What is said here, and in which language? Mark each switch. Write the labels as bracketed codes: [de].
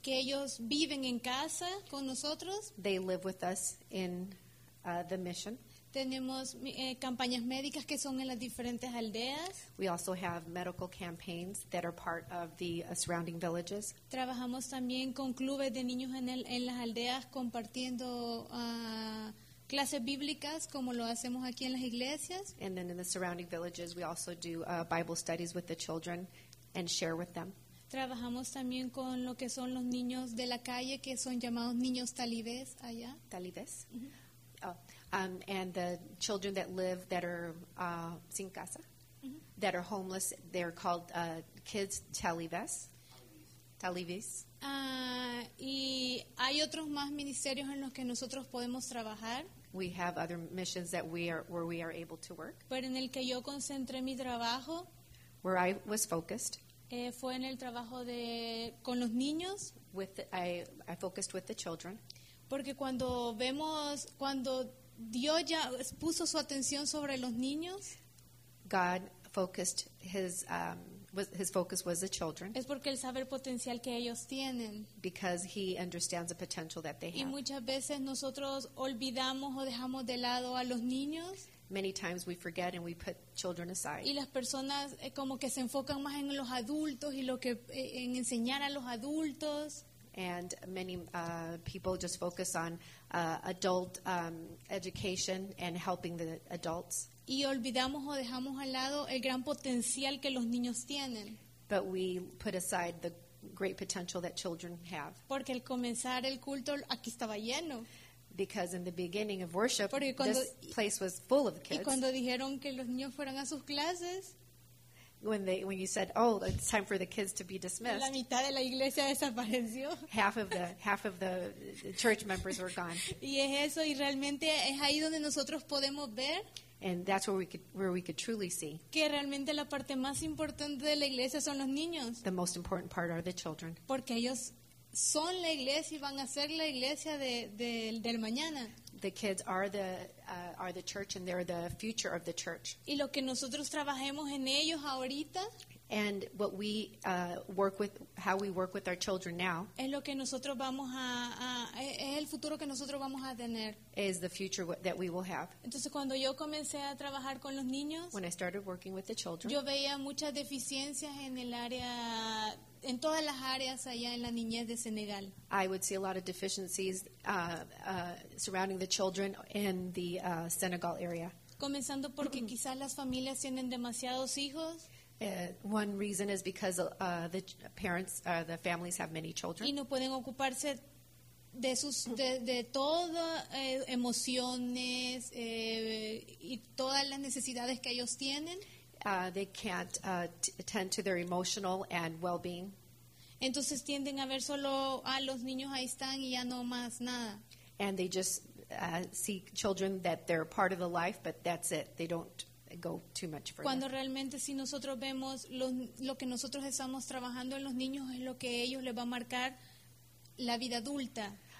[es] Que ellos viven en casa con nosotros. [en] They live with us in the mission. [es] Tenemos campañas médicas que son en las diferentes aldeas. [en] We also have medical campaigns that are part of the surrounding villages. [es] Trabajamos también con clubes de niños en las aldeas compartiendo clases bíblicas como lo hacemos aquí en las iglesias. [en] And then in the surrounding villages we also do Bible studies with the children and share with them. [es] Trabajamos también con lo que son los niños de la calle que son llamados niños talibés allá. Talibés. Mm-hmm. [en] And the children that live that are [es] sin casa, [en] mm-hmm. that are homeless, they're called kids talibés. Talibés. [es] Y hay otros más ministerios en los que nosotros podemos trabajar. [en] We have other missions that we are where we are able to work. [es] Pero en el que yo concentré mi trabajo. [en] Where I was focused. [es] Fue en el trabajo de con los niños. [en] With the, I focused with the children. [es] Porque cuando vemos cuando Dios ya puso su atención sobre los niños. [en] God focused his his focus was the children. [es] Es porque él sabe el potencial que ellos tienen. [en] Because he understands the potential that they have. [es] Y muchas veces nosotros olvidamos o dejamos de lado a los niños. [en] Many times we forget and we put children aside. [es] Y las personas como que se enfocan más en los adultos y lo que en enseñar a los adultos. [en] And many people just focus on adult education and helping the adults. [es] Y olvidamos o dejamos al lado el gran potencial que los niños tienen. [en] But we put aside the great potential that children have. [es] Porque al comenzar el culto aquí estaba lleno. [en] Because in the beginning of worship, this place was full of kids. [es] Y cuando dijeron que los niños fueran a sus clases, [en] when you said, "Oh, it's time for the kids to be dismissed," [es] la mitad de la iglesia desapareció. [en] Half of the church members were gone. [es] Y es eso, y realmente es ahí donde nosotros podemos ver. [en] And that's where we could truly see. [es] Que realmente la parte más importante de la iglesia son los niños. [en] The most important part are the children. [es] Porque ellos son la iglesia y van a ser la iglesia del mañana. [en] The kids are the church and they're the future of the church. [es] Y lo que nosotros trabajemos en ellos ahorita. [en] And what we how we work with our children now. [es] Es lo que nosotros vamos a es el futuro que nosotros vamos a tener. [en] Is the future that we will have. [es] Entonces cuando yo comencé a trabajar con los niños. [en] When I started working with the children. [es] Yo veía muchas deficiencias en el área. En todas las áreas allá en la niñez de Senegal. [en] I would see a lot of deficiencies surrounding the children in the Senegal area. [es] Comenzando porque quizás las familias tienen demasiados hijos. [en] One reason is because the parents, the families have many children. [es] Y no pueden ocuparse de sus de todas emociones y todas las necesidades que ellos tienen. [en] They can't attend to their emotional and well-being. [es] Entonces tienden a ver solo a los niños ahí están y ya no más nada. [en] And they just see children that they're part of the life, but that's it. They don't go too much further. [es] Cuando realmente si nosotros vemos lo que nosotros estamos trabajando en los niños es lo que ellos les va a marcar la vida adulta.